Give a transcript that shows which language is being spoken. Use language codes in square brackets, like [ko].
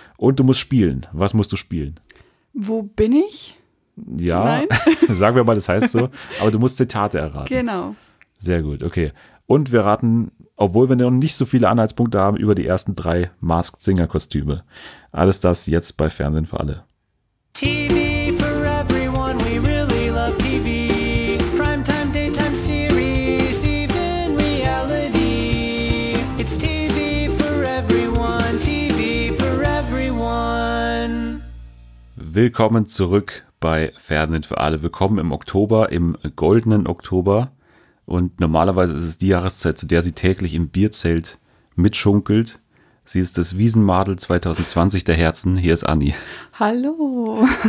[de] Und du musst spielen. Was musst du spielen? Wo bin ich? Ja, sagen wir mal, das heißt so. Aber du musst Zitate erraten. Genau. Sehr gut, okay. Und wir raten, obwohl wir noch nicht so viele Anhaltspunkte haben, über die ersten drei Masked Singer-Kostüme. Alles das jetzt bei Fernsehen für alle. [en] TV for everyone, we really love TV. Primetime, daytime series, even reality. It's TV for everyone, TV for everyone. [de] Willkommen zurück bei Fernsehen für alle. Willkommen im Oktober, im goldenen Oktober. Und normalerweise ist es die Jahreszeit, zu der sie täglich im Bierzelt mitschunkelt. Sie ist das Wiesenmadel 2020 der Herzen. Hier ist Anni. Hallo.